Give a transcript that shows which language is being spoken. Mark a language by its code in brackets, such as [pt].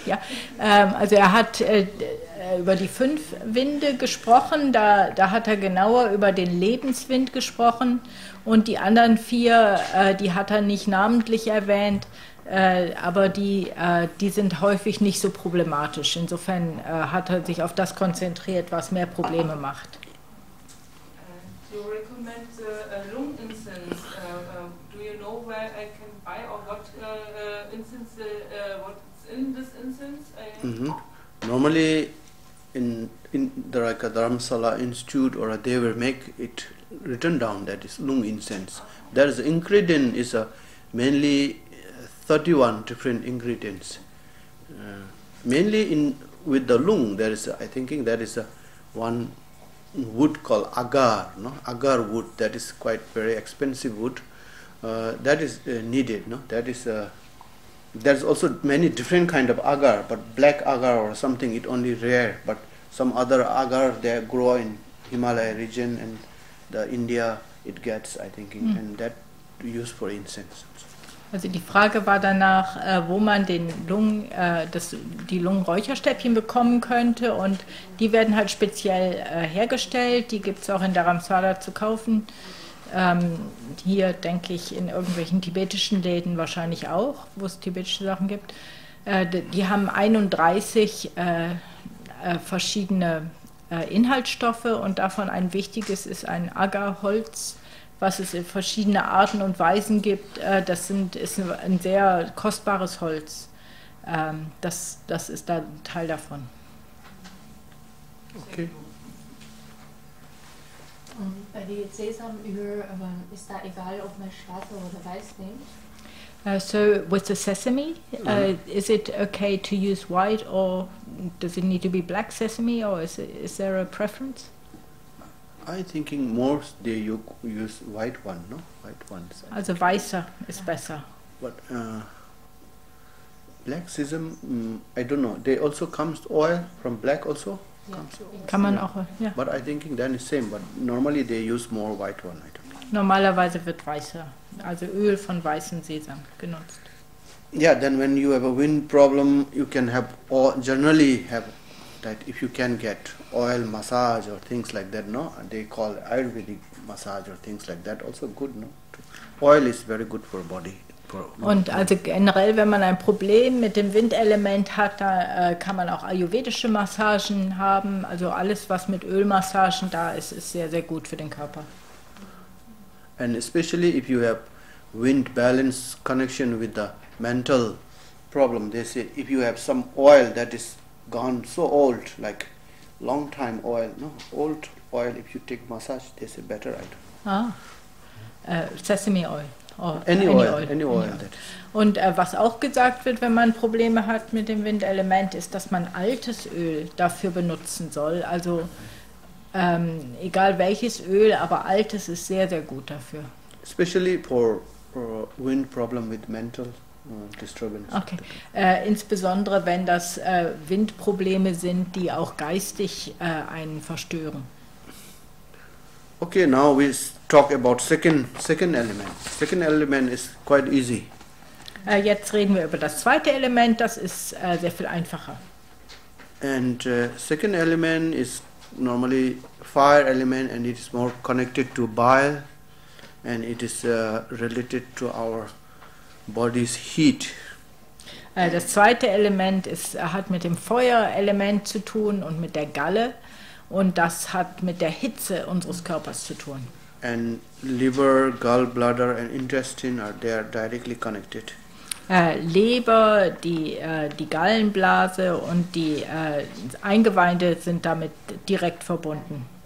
[de] Ja, also er hat über die fünf Winde gesprochen, da hat er genauer über den Lebenswind gesprochen und die anderen vier, die hat er nicht namentlich erwähnt, aber die sind häufig nicht so problematisch. Insofern hat er sich auf das konzentriert, was mehr Probleme macht. [en] Do you recommend Lung incense? Do you know where I can buy or what incense, what's in this incense? Mm-hmm. Normally in the like Dharamsala Institute or they will make it written down that is lung incense. There is ingredient is a mainly 31 different ingredients. Mainly in with the lung there is I thinking there is a one wood called agar, no? Agar wood that is quite very expensive wood. That is needed, no? That is a there's also many different kind of agar, but black agar or something it only rare, but some other agar they grow in Himalaya region and the India it gets I think and that used for incense. Okay. [de] Also die Frage war danach, wo man den Lungen, das, die Lungenräucherstäbchen bekommen könnte. Und die werden halt speziell hergestellt. Die gibt es auch in Dharamsala zu kaufen. Hier denke ich in irgendwelchen tibetischen Läden wahrscheinlich auch, wo es tibetische Sachen gibt. Die haben 31 verschiedene Inhaltsstoffe und davon ein wichtiges ist ein Agarholz, was es in verschiedene Arten und Weisen gibt. Das sind, ist ein sehr kostbares Holz. Das, das ist da ein Teil davon. Okay. Bei den Sesamöl, ist da egal, ob man schwarz oder weiß nimmt? [en] So, with the sesame, is it okay to use white or does it need to be black sesame or is, it, is there a preference? I thinking more they use white one, no? White one. [de] Also weißer ist besser. [en] But black sesam, I don't know. They also comes oil from black also? [de] Yeah. Kann man auch, ja. [en] But I thinking then the same, but normally they use more white one, I don't know. [de] Normalerweise wird weißer, also Öl von weißem Sesam genutzt. [en] Yeah, then when you have a wind problem, you can have, or generally have that if you can get oil massage or things like that, no? They call Ayurvedic massage or things like that also good, no? Oil is very good for body. [de] Und also generell, wenn man ein Problem mit dem Windelement hat, da kann man auch ayurvedische Massagen haben. Also alles, was mit Ölmassagen da ist, ist sehr, sehr gut für den Körper. [en] And especially if you have wind balance connection with the mental problem, they say if you have some oil that is gone so old, like long time oil, no, old oil, if you take massage, they say better, right? Sesame oil. [de] Und was auch gesagt wird, wenn man Probleme hat mit dem Windelement, ist, dass man altes Öl dafür benutzen soll. Also egal welches Öl, aber altes ist sehr, sehr gut dafür. [en] Especially for wind problem with mental disturbance. Okay. [de] Insbesondere wenn das Windprobleme sind, die auch geistig einen verstören. [en] Okay, now we talk about second element. Second element is quite easy. [de] Jetzt reden wir über das zweite Element, das ist sehr viel einfacher. [en] And second element is normally fire element and it is more connected to bile and it is related to our body's heat. [de] Das zweite Element ist, hat mit dem Feuerelement zu tun und mit der Galle. Und das hat mit der Hitze unseres Körpers zu tun. [en] And liver, gallbladder and intestine are they are directly connected. [de] Leber, die Gallenblase und die Eingeweide sind damit direkt verbunden.